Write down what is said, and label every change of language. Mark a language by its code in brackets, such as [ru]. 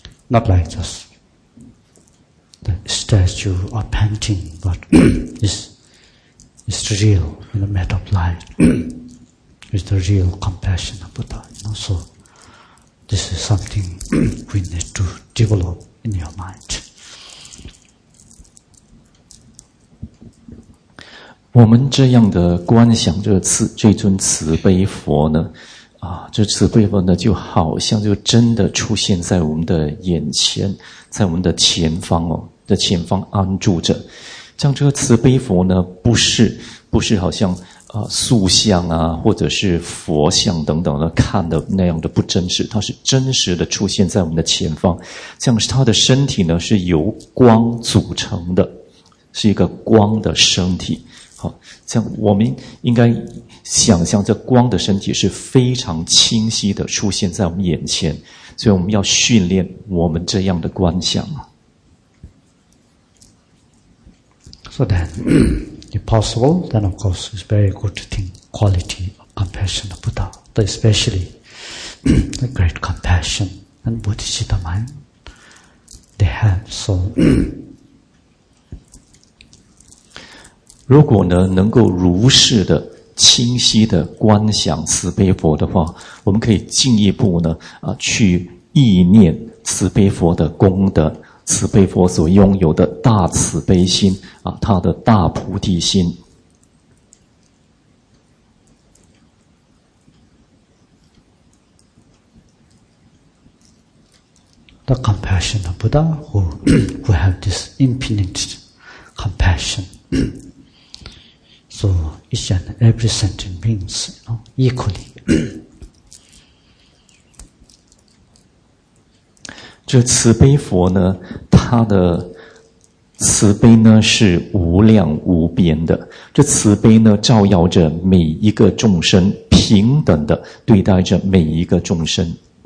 [en] Not like just the statue or painting, but it's real, you know, made of light. It's the real compassion of Buddha, you know. So this is something we need to develop in your mind. [zh] 我们这样的观想这次这尊慈悲佛呢这慈悲佛呢就好像就真的出现在我们的眼前，在我们的前方哦，的前方安住着。像这个慈悲佛呢，不是好像塑像啊，或者是佛像等等的看的那样的不真实，它是真实的出现在我们的前方。像是它的身体呢是由光组成的，是一个光的身体。好，像我们应该想象这光的身体是非常清晰的出现在我们眼前，所以我们要训练我们这样的观想。 [en] So then, if possible, then of course it's very good thing, quality of compassion of Buddha, but especially the great compassion and bodhicitta mind they have. So, [zh] 如果呢能够如是的清晰的观想慈悲佛的话，我们可以进一步呢去意念慈悲佛的功德，慈悲佛所拥有的大慈悲心他的大菩提心。 [en] The compassion of Buddha who have this infinite compassion. So each and every sentient beings, you know, equally. [zh] 这慈悲佛呢，他的慈悲呢是无量无边的。这慈悲呢，照耀着每一个众生，平等的对待着每一个众生。